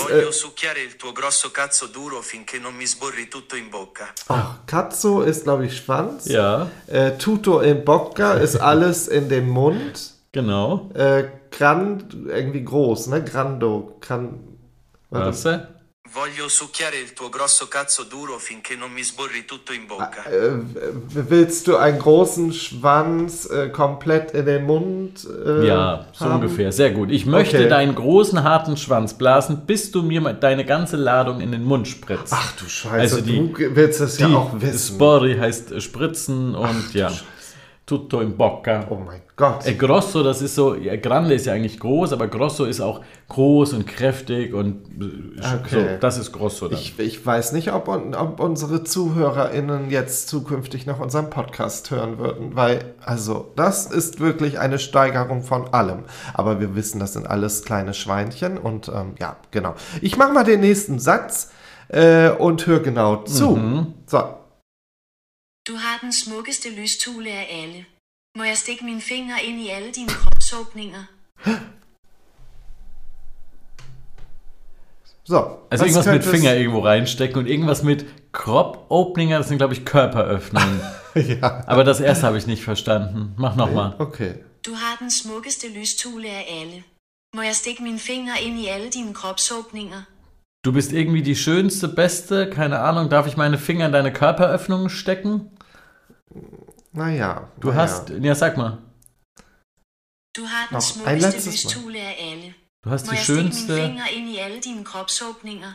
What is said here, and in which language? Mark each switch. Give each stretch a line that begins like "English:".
Italian: Voglio succhiare il tuo grosso cazzo duro finché non mi sborri tutto in bocca.
German: Ach, cazzo ist, glaube ich, Schwanz. Ja.
Italian: Tutto in bocca
German: ist alles in dem Mund. Genau. Grand, irgendwie groß, ne? Grando. Was? Warte.
Italian: Voglio succhiare il tuo grosso cazzo duro finché non mi sborri tutto in bocca.
German: Willst du einen großen Schwanz komplett in den Mund Ja, so haben? Ungefähr. Sehr gut. Ich möchte okay. deinen großen, harten Schwanz blasen, bis du mir deine ganze Ladung in den Mund spritzt. Ach du Scheiße, also du willst das ja auch wissen. Sborri heißt spritzen und ja.
Italian: Tutto in bocca.
German: Oh mein Gott. Grosso, das ist so, ja, grande ist ja eigentlich groß, aber grosso ist auch groß und kräftig und okay. so, das ist grosso dann. Ich weiß nicht, ob unsere ZuhörerInnen jetzt zukünftig noch unseren Podcast hören würden, weil, also, das ist wirklich eine Steigerung von allem. Aber wir wissen, das sind alles kleine Schweinchen und ja, genau. Ich mach mal den nächsten Satz und hör genau zu. Mhm. So.
Danish: Du har den smukkeste lystule af alle. Må jeg stikke mine fingre ind i alle dine kropsåbninger?
German: So, also irgendwas mit Finger irgendwo reinstecken und irgendwas mit Kropsåbninger, das sind glaube ich Körperöffnungen. Ja. Aber das erste habe ich nicht verstanden. Mach nochmal. Nee, okay.
Danish: Du har den smukkeste lystule af alle. Må jeg stikke mine fingre ind i alle dine kropsåbninger?
German: Du bist irgendwie die schönste, beste, keine Ahnung, darf ich meine Finger in deine Körperöffnungen stecken? Naja. Du hast, ja, sag mal. Du hast das schönste
Danish: Lystule af alle.
German: Du hast die schönste. Ich stecke meine Finger in alle deine Kropsåbninger.